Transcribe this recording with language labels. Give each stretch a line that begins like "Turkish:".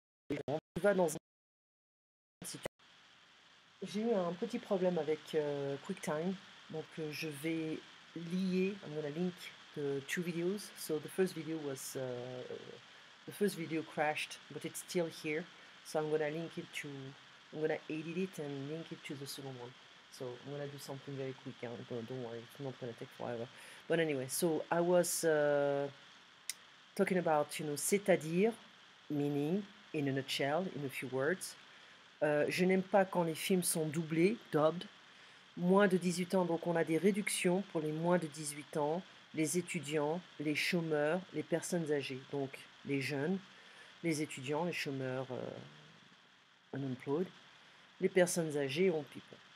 French: Tu vas dans un. J'ai eu un petit problème avec QuickTime, donc je vais lier.
English: I'm gonna link the two videos. So the first video was the first video crashed, but it's still here. So I'm gonna link it to. I'm gonna edit it and link it to the second one. So I'm gonna do something very quick. Hein, don't worry, it's not gonna take forever. But anyway, so I was talking about, you know,
French: c'est-à-dire,
English: meaning, in a nutshell, in a few words.
French: Je n'aime pas quand les films sont doublés, dubbed. Moins de 18 ans, donc on a des réductions pour les moins de 18 ans, les étudiants, les chômeurs, les personnes âgées, donc les jeunes, les étudiants, les chômeurs, unemployed, les personnes âgées, on people.